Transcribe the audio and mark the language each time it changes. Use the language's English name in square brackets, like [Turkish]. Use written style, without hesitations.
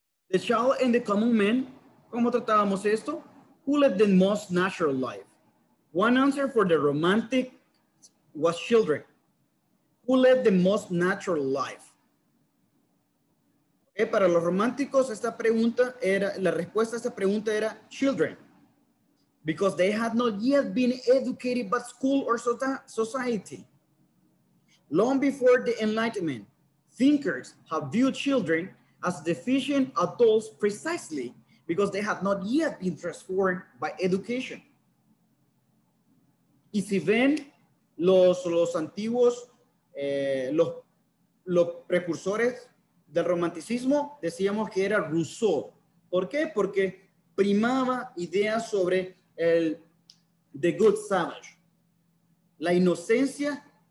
[English] The Child and the Common Man. [Spanish] ¿Cómo tratábamos esto? [English] Who led the most natural life? One answer for the romantic was children. Who led the most natural life? [Spanish] Okay, para los románticos, esta pregunta era, la respuesta a esta pregunta era children. [English] Because they had not yet been educated by school or society. Long before the Enlightenment, thinkers have viewed children as deficient adults precisely because they had not yet been transformed by education. [Spanish] Y si ven, los antiguos, los precursores del romanticismo, decíamos que era Rousseau. ¿Por qué? Porque primaba ideas sobre el [English] the good savage, [Spanish] la inocencia.